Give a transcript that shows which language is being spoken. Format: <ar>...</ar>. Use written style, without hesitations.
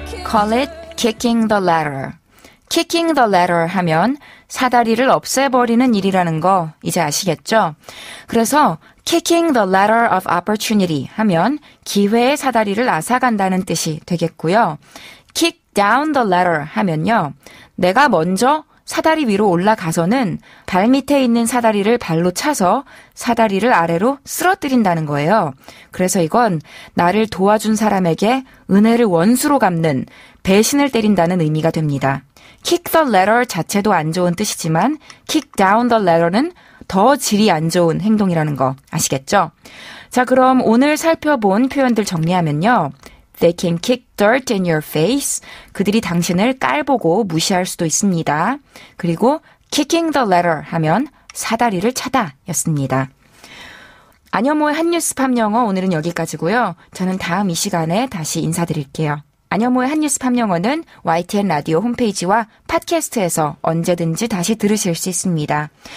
<en>Call it kicking the ladder. Kicking the ladder</en> <ko>하면 사다리를 없애버리는 일이라는 거 이제 아시겠죠? 그래서</ko> <en>kicking the ladder of opportunity</en> <ko>하면 기회의 사다리를 앗아간다는 뜻이 되겠고요.</ko> <en>Kick down the ladder</en> <ko>하면요. 내가 먼저 사다리 위로 올라가서는 발 밑에 있는 사다리를 발로 차서 사다리를 아래로 쓰러뜨린다는 거예요. 그래서 이건 나를 도와준 사람에게 은혜를 원수로 갚는 배신을 때린다는 의미가 됩니다.</ko> <en>Kick the ladder</en> <ko>자체도 안 좋은 뜻이지만</ko> <en>kick down the ladder</en> <ko>는 더 질이 안 좋은 행동이라는 거 아시겠죠? 자, 그럼 오늘 살펴본 표현들 정리하면요.</ko> <en>They can kick dirt in your face.</en> <ko>그들이 당신을 깔보고 무시할 수도 있습니다. 그리고</ko> <en>kicking the ladder</en> <ko>하면 사다리를 차다 였습니다. 안녕모의 한뉴스 팝 영어 오늘은 여기까지고요. 저는 다음 이 시간에 다시 인사드릴게요. 안녕모의 한뉴스 팝 영어는 YTN 라디오 홈페이지와 팟캐스트에서 언제든지 다시 들으실 수 있습니다.</ko>